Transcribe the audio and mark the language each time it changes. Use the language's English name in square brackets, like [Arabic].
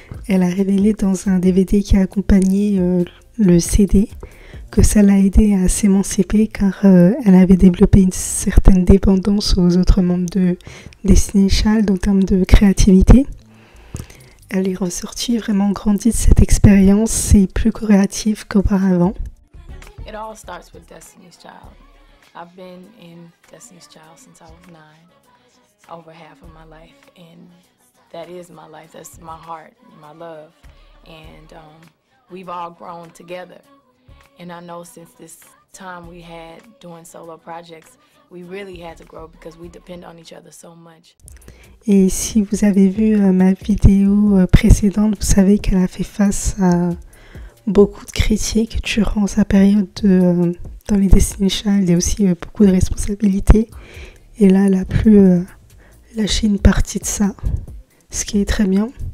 [French] Elle a révélé dans un DVD qui a accompagné le CD que ça l'a aidée à s'émanciper car elle avait développé une certaine dépendance aux autres membres de Destiny's Child en termes de créativité. Elle est ressortie vraiment grandie de cette expérience et plus créative qu'auparavant. [English] It all starts with Destiny's Child. I've been in Destiny's Child since I was 9, over half of my life, and that is my life, that's my heart, my love, and we've all grown together. And I know since this time we had doing solo projects, we really had to grow because we depend on each other so much. [French] Et si vous avez vu ma vidéo précédente, vous savez qu'elle a fait face à beaucoup de critiques durant sa période dans les Destiny's Child et aussi beaucoup de responsabilités. Et là, elle a pu lâcher une partie de ça, ce qui est très bien.